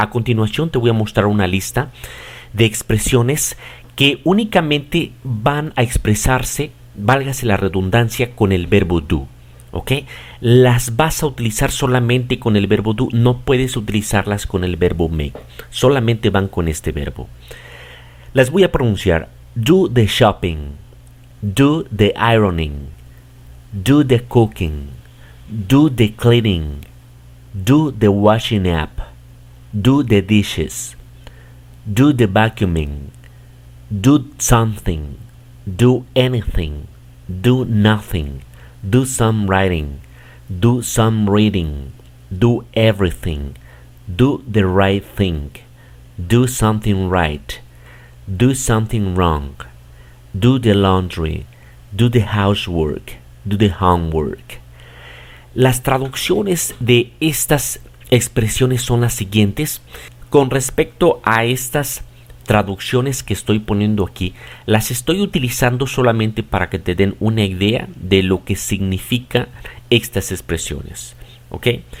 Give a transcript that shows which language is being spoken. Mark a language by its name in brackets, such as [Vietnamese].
[Spanish] A continuación te voy a mostrar una lista de expresiones que únicamente van a expresarse, válgase la redundancia, con el verbo do. ¿Ok? Las vas a utilizar solamente con el verbo do, no puedes utilizarlas con el verbo make, solamente van con este verbo. Las voy a pronunciar: [English] do the shopping, do the ironing, do the cooking, do the cleaning, do the washing up, do the dishes, do the vacuuming, do something, do anything, do nothing, do some writing, do some reading, do everything, do the right thing, do something right, do something wrong, do the laundry, do the housework, do the homework. [Spanish] Las traducciones de estas expresiones son las siguientes. Con respecto a estas traducciones que estoy poniendo aquí, las estoy utilizando solamente para que te den una idea de lo que significa estas expresiones. ¿Okay?